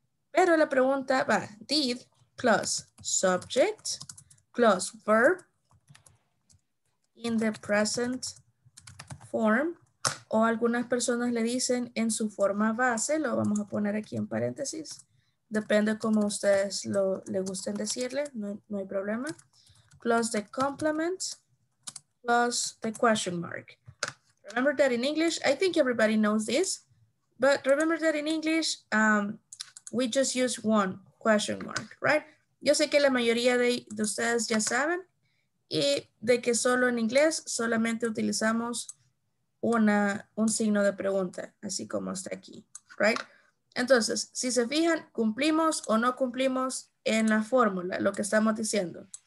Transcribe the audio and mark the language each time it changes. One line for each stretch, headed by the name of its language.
Spanish: Pero la pregunta va,
English: did plus subject plus verb in the present form.
Spanish: O algunas personas le dicen en su forma base, lo vamos a poner aquí en paréntesis. Depende cómo ustedes le gusten decirle, no hay problema.
English: Plus the complement, plus the question mark. Remember that in English, I think everybody knows this, but remember that in English, we just use one question mark, right?
Spanish: Yo sé que la mayoría de ustedes ya saben, y de que solo en inglés solamente utilizamos un signo de pregunta, así como está aquí, right? Entonces, si se fijan, ¿cumplimos o no cumplimos en la fórmula lo que estamos diciendo?